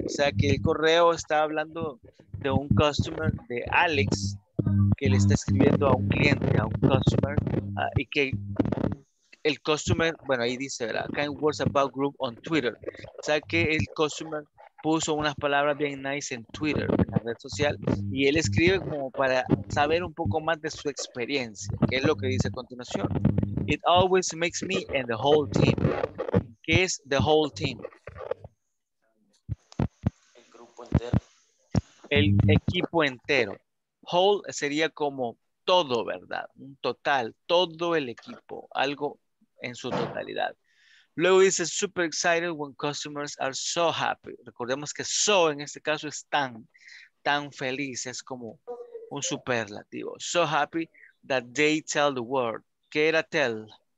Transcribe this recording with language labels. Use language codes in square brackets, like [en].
[es] O sea, que el correo está hablando de un customer, de Alex, que le está escribiendo a un cliente, a un customer, y que el customer, bueno, ahí dice, ¿verdad? [en] Kind words about group on Twitter. [es] O sea, que el customer puso unas palabras bien nice en Twitter, en la red social, y él escribe como para saber un poco más de su experiencia, que es lo que dice a continuación. [en] It always makes me and the whole team. [es] ¿Qué es [en] the whole team? [es] El grupo entero. El equipo entero. Whole sería como todo, ¿verdad? Un total, todo el equipo, algo en su totalidad. Luego dice, [en] super excited when customers are so happy. [es] Recordemos que so en este caso es tan, tan feliz. Es como un superlativo. [en] So happy that they tell the world. [es] ¿Qué era [en] tell?